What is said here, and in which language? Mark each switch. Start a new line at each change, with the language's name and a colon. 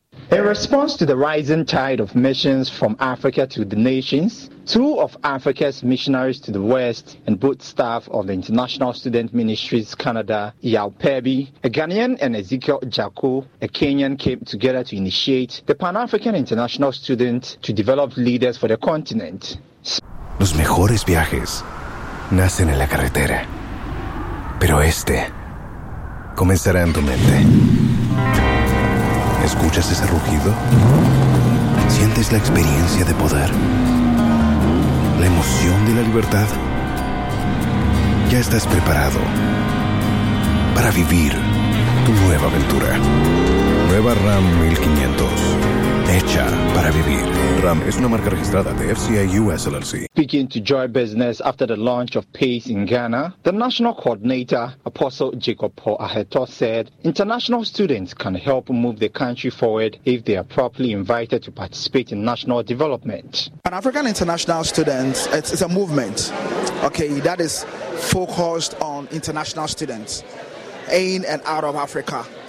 English: In response to the rising tide of missions from Africa to the nations, two of Africa's missionaries to the West and both staff of the International Student Ministries Canada, Yao Pebi, a Ghanaian, and Ezekiel Jaco, a Kenyan, came together to initiate the Pan-African International Student to develop leaders for the continent.
Spanish: Los mejores viajes nacen en la carretera, pero este comenzará en tu mente. ¿Escuchas ese rugido? ¿Sientes la experiencia de poder? ¿La emoción de la libertad? Ya estás preparado para vivir tu nueva aventura. Nueva Ram 1500. Hecha para vivir. Ram es una marca registrada de FCA US LLC.
English: Speaking to Joy Business after the launch of PACE in Ghana, the national coordinator, Apostle Jacob Paul Aheto, said international students can help move the country forward if they are properly invited to participate in national development. An African international student, it's a movement, okay, that is focused on international students in and out of Africa.